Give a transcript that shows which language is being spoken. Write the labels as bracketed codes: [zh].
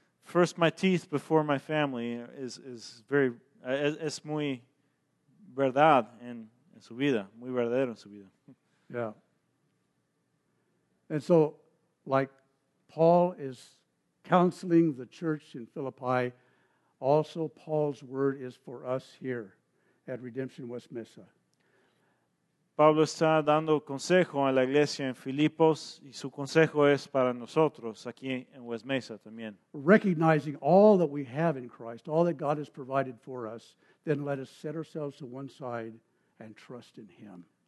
[en] First, my teeth before my family is very, [es] es muy verdad en su vida, muy verdadero en su vida. [en] Yeah. And so, like Paul is counseling the church in Philippi, also Paul's word is for us here at Redemption West Mesa. [es] Pablo está dando consejo a la iglesia en Filipos y su consejo es para nosotros aquí en West Mesa también. [en] Recognizing all that we have in Christ, all that God has provided for us, then let us set ourselves to one side and trust in Him.